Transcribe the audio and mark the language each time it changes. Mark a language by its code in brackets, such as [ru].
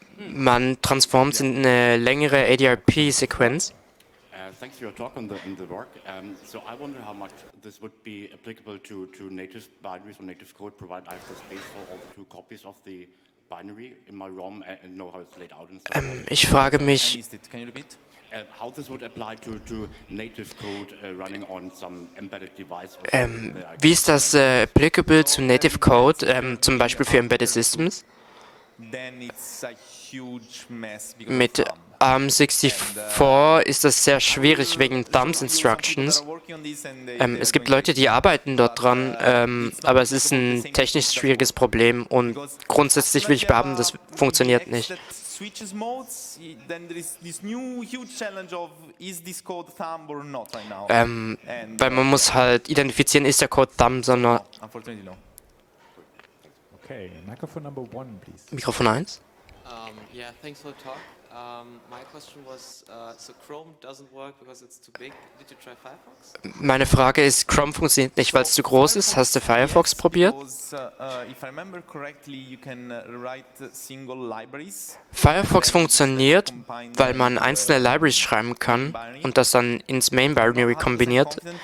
[de] Man transformt es in eine längere ADRP-Sequenz. [en] Thanks for your talk on the work. So I wonder how much this would be applicable to native binaries or native code, provided I have the space for all the two copies of the binary in my ROM and know how it's laid out and stuff. [de] Ich frage mich, [en] How this would apply to native code running on some embedded device? [de] Wie ist das applicable zu native code, zum Beispiel für embedded systems? [en] Then it's a huge mess. [de] Mit ARM64 ist das sehr schwierig wegen Thumbs Instructions. Es gibt Leute, die arbeiten dort dran, aber es ist ein technisch schwieriges Problem, und grundsätzlich will ich behaupten, das funktioniert nicht. [en] Switches modes, then there is this new huge challenge of, is this code thumb or not right now? [de] Weil man muss halt identifizieren, ist der Code thumb, sondern... [en] Unfortunately no. Okay, microphone number one, please. [de] Mikrofon 1. [en] Yeah, thanks for the talk. My question was, so Chrome doesn't work because it's too big. Did you try Firefox? [de] Meine Frage ist, Chrome funktioniert nicht, weil es zu groß ist. Hast du Firefox probiert? [en] If I remember correctly, you can write single libraries. [de] Firefox funktioniert, weil man einzelne Libraries schreiben kann und das dann ins Main Binary kombiniert.